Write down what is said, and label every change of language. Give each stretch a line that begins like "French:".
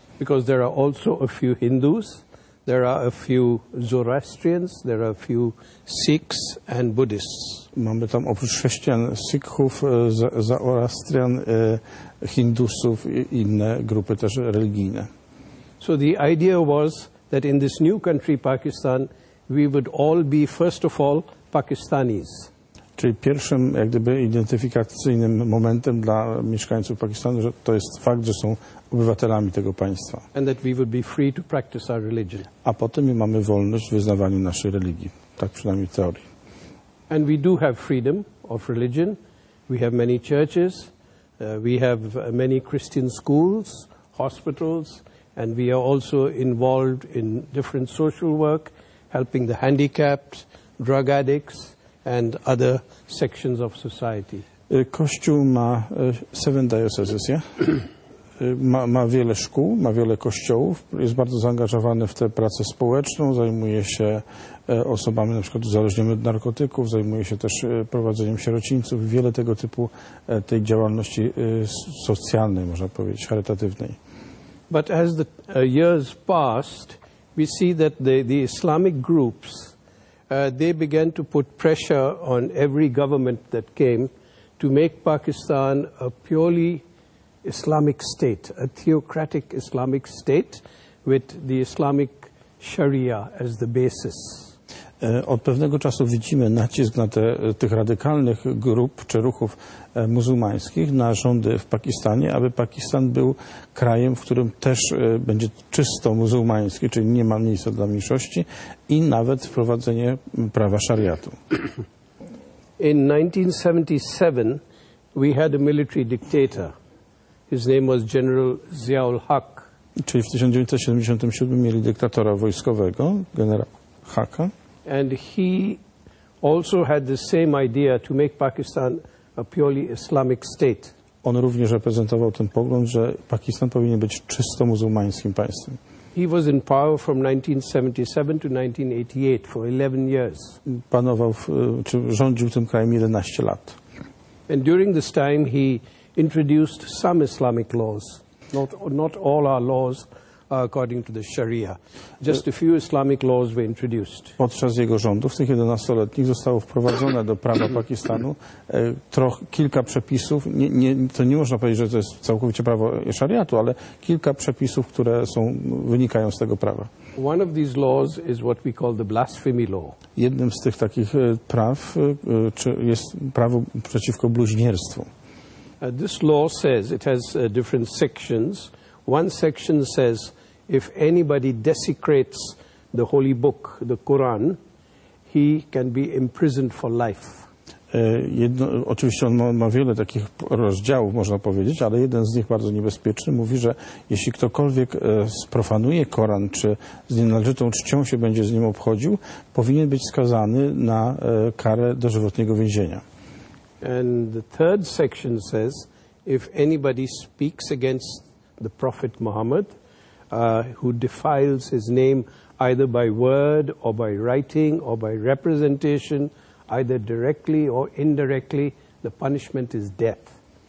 English: Because there are also a few Hindus. There are a few Zoroastrians, there are a few Sikhs and Buddhists.
Polish: Mamy tam oprócz chrześcijan, Sikhów, Zoroastrian, Hindusów i inne grupy też religijne.
English: So the idea was that in this new country, Pakistan, we would all be first of all Pakistanis.
Polish: Czyli pierwszym jak gdyby identyfikacyjnym momentem dla mieszkańców Pakistanu, że to jest fakt, że są obywatelami tego państwa.
English: And that we would be free to practice our religion.
Polish: A potem my mamy wolność w wyznawaniu naszej religii, tak przynajmniej w teorii.
English: And we do have freedom of religion. We have many churches, we have many Christian schools, hospitals, and we are also involved in different social work, helping the handicapped, drug addicts, and other sections of society.
Polish: Kościół ma 7
English: dioceses, yeah?
Polish: Ma wiele szkół, ma wiele kościołów, jest bardzo zaangażowany w tę pracę społeczną, zajmuje się osobami na przykład uzależnionymi od narkotyków, zajmuje się też prowadzeniem sierocińców, wiele tego typu tej działalności socjalnej, można powiedzieć, charytatywnej.
English: But as the years passed, we see that the Islamic groups, they began to put pressure on every government that came to make Pakistan a purely Islamic state, a theocratic Islamic state with the Islamic Sharia as the basis.
Polish: Od pewnego czasu widzimy nacisk na tych radykalnych grup czy ruchów muzułmańskich na rządy w Pakistanie, aby Pakistan był krajem, w którym też będzie czysto muzułmański, czyli nie ma miejsca dla mniejszości i nawet wprowadzenie prawa szariatu.
English: In 1977 we had a military dictator. His name was General Ziaul-Haq.
Polish: Czyli w 1977 mieli dyktatora wojskowego, generał Haka.
English: And he also had the same idea to make Pakistan a purely Islamic state.
Polish: On również reprezentował ten pogląd, że Pakistan powinien być czysto muzułmańskim państwem.
English: He was in power from 1977 to 1988 for 11 years.
Polish: Panował, czy rządził tym krajem 11 lat.
English: And during this time he introduced some Islamic laws. Not all our laws are according to the Sharia. Just a few Islamic laws were introduced.
Polish: Podczas jego rządów, tych 11-letnich, zostało wprowadzone do prawa Pakistanu kilka przepisów. To nie można powiedzieć, że to jest całkowicie prawo szariatu, ale kilka przepisów, które wynikają z tego prawa.
English: One of these laws is what we call the blasphemy law.
Polish: Jednym z tych takich praw jest prawo przeciwko bluźnierstwu.
English: This law says it has different sections. One section says if anybody desecrates the holy book, the Quran, he can be imprisoned for life.
Polish: Oczywiście on ma wiele takich rozdziałów, można powiedzieć, ale jeden z nich bardzo niebezpieczny mówi, że jeśli ktokolwiek sprofanuje Koran czy z nienależytą czcią się będzie z nim obchodził, powinien być skazany na karę dożywotniego więzienia.
English: And the third section says if anybody speaks against the Prophet Muhammad, who defiles his name either by word or by writing or by representation, either directly or indirectly, the punishment is death.